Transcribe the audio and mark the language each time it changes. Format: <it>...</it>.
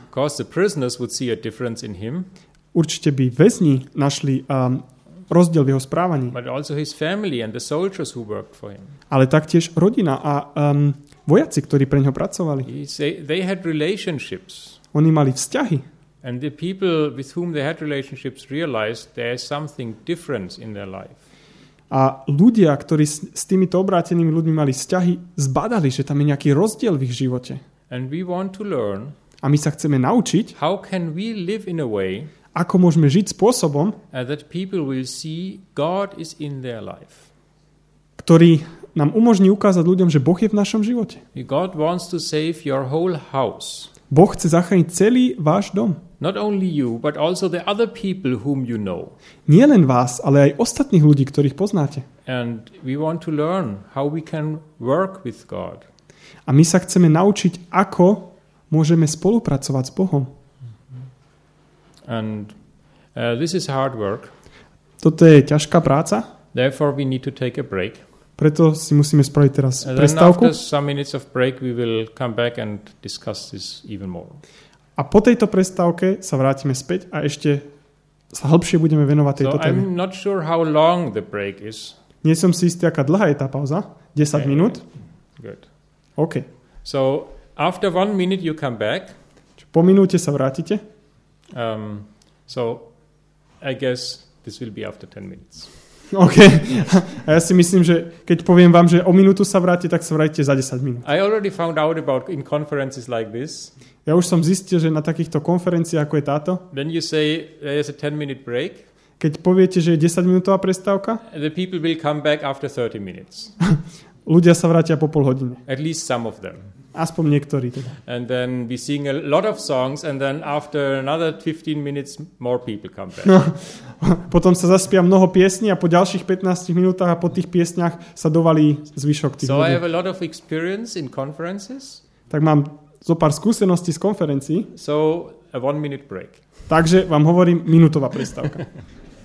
<en>Of course the prisoners would see a difference in him.</en> <sk>Určite by väzni našli rozdiel v jeho správaní.</sk> <en>But also his family and the soldiers who worked for him.</en> <sk>Ale taktiež rodina a vojaci, ktorí pre neho pracovali.</sk> <en>They had relationships.</en> <sk>Oni mali vzťahy.</sk> <en>And the people with whom they had relationships realized there's something different in their life.</en> <sk>A ľudia, ktorí s týmito obrátenými ľuďmi mali vzťahy, zbadali, že tam je nejaký rozdiel v ich živote.</sk> <en>And we want to learn.</en> <sk>A my sa chceme naučiť.</sk> <en>How can we live in a way?</en> <sk>Ako môžeme žiť spôsobom?</sk> <en>That people will see God is in their life.</en> <sk>Ktorý nám umožní ukázať ľuďom, že Boh je v našom živote.</sk> <en>God wants to save your whole house.</en> <sk>Boh chce zachrániť celý váš dom.</sk> <en>Not only you, but also the other people whom you know.</en> <sk>Nie len vás, ale aj ostatných ľudí, ktorých poznáte.</sk> <en>And we want to learn how we can work with God.</en> <sk>A my sa chceme naučiť, ako môžeme spolupracovať s Bohom.</sk> <en>And this is hard work.</en> <sk>Toto je ťažká práca.</sk> <en>Therefore we need to take a break.</en> <sk>Preto si musíme spraviť teraz prestávku.</sk> <en>After some minutes of break we will come back and discuss this even more.</en> <sk>A po tejto prestávke sa vrátime späť a ešte sa hlbšie budeme venovať tejto téme.</sk> <en>I'm not sure how long the break is.</en> <sk>Nie som si istý, aká dlhá je tá pauza. 10 okay. minút.</sk> <en>Good. OK. So after 1 minute you come back.</en> <sk>Po minúte sa vrátite.</sk> <en>So I guess this will be after 10 minutes.</en> <sk>OK. A ja si myslím, že keď poviem vám, že o minútu sa vrátite, tak sa vrátite za 10 minút.</sk> <en>I already found out about in conferences like this.</en> <sk>Ja už som zistil, že na takýchto konferenciách, ako je táto.</sk> <en>When you say there's a 10 minute break.</en> <sk>Keď poviete, že je 10 minútová prestávka.</sk> <en>The people will come back after 30 minutes.</en> <sk>Ľudia sa vrátia po pol hodine.</sk> <en>At least some of them.</en> <sk>Aspoň niektorí teda.</sk> <en>And then we sing a lot of songs and then after another 15 minutes more people come back.</en> <sk>Potom sa zaspia mnoho piesní a po ďalších 15 minútach a po tých piesniach sa dovalí zvyšok tých so ľudí.</sk> <en>I have a lot of experience in conferences.</en> <sk>Tak mám zo pár skúseností z konferencií.</sk> <en>So a 1 minute break.</en> <sk>Takže vám hovorím, minútová prestávka.</sk>